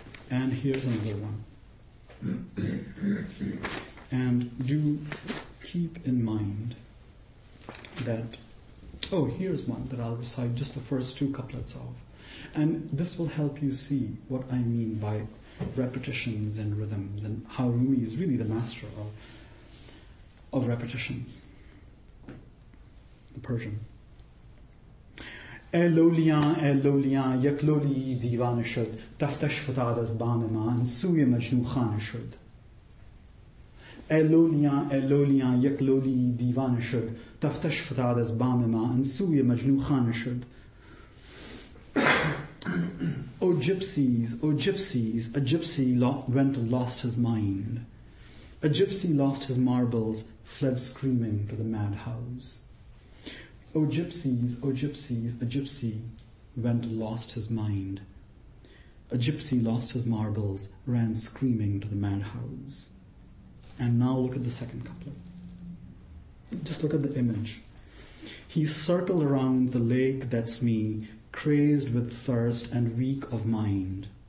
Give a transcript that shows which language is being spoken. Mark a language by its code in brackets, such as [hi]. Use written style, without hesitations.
[en] And here's another one. And do keep in mind that, oh, here's one that I'll recite just the first two couplets of. And this will help you see what I mean by repetitions and rhythms and how Rumi is really the master of repetitions. The Persian. [fa] ای لولیان ای لولیان یک لولی دیوانه شد تفتش فتاد از بام ما ان سوی مجنون خانه شد ای لولیان ای لولیان یک لولی دیوانه شد تفتش فتاد از بام ما ان سوی مجنون خانه شد [en] O gypsies O gypsies a gypsy went and lost his mind a gypsy lost his marbles fled screaming to the madhouse. O gypsies, a gypsy went and lost his mind. A gypsy lost his marbles, ran screaming to the madhouse. And now look at the second couplet. Just look at the image. He circled around the lake that's me, crazed with thirst and weak of mind.